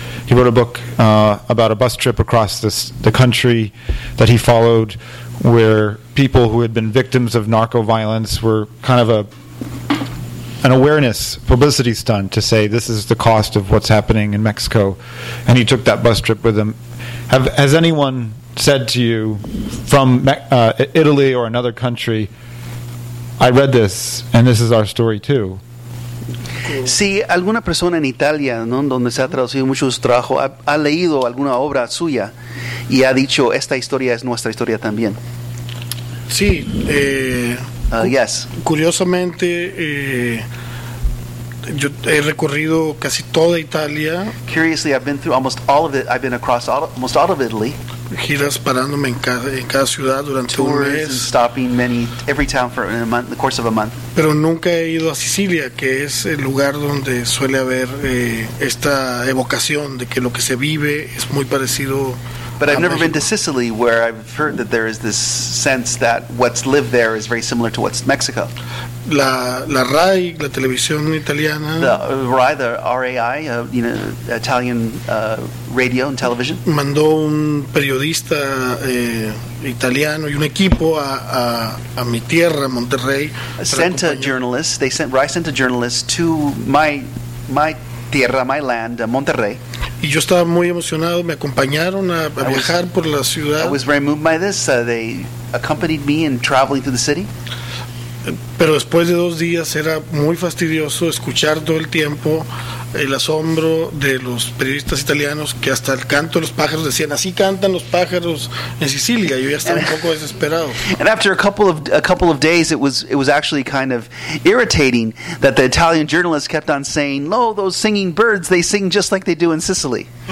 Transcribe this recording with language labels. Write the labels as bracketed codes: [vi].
[en] He wrote a book about a bus trip across the country that he followed, where people who had been victims of narco violence were kind of an awareness publicity stunt to say this is the cost of what's happening in Mexico, and he took that bus trip with him. Has anyone said to you from Italy or another country, I read this and this is our story too? [es] Sí, alguna persona en Italia, ¿no? Donde se ha traducido mucho su trabajo, ha leído alguna obra suya y ha dicho, esta historia es nuestra historia también. Sí. [en] Yes. [es] Curiosamente, yo he recorrido casi toda Italia. [en] Curiously, I've been through almost all of it. I've been across almost all of Italy. [es] Giras parándome en cada ciudad durante [en] tours, [es] un mes. [en] And stopping every town for a month, the course of a month. [es] Pero nunca he ido a Sicilia, que es el lugar donde suele haber esta evocación de que lo que se vive es muy parecido [en] But I've never been to Sicily, where I've heard that there is this sense that what's lived there is very similar to what's Mexico. [es] La RAI, la televisión italiana. [en] The RAI, you know, Italian radio and television. [es] Mandó un periodista italiano y un equipo a mi tierra, Monterrey. [en] Sent a journalist. RAI sent a journalist to my tierra, my land, Monterrey. [es] Y yo estaba muy emocionado. Me acompañaron a viajar por la ciudad. [en] I was very moved by this. They accompanied me in traveling through the city. [es] Pero después de dos días era muy fastidioso escuchar todo el tiempo el asombro de los periodistas italianos que hasta el canto de los pájaros decían así cantan los pájaros en Sicilia. Yo ya estaba un poco desesperado. [en] And after a couple of days, it was actually kind of irritating that the Italian journalists kept on saying, "Lo, those singing birds, they sing just like they do in Sicily."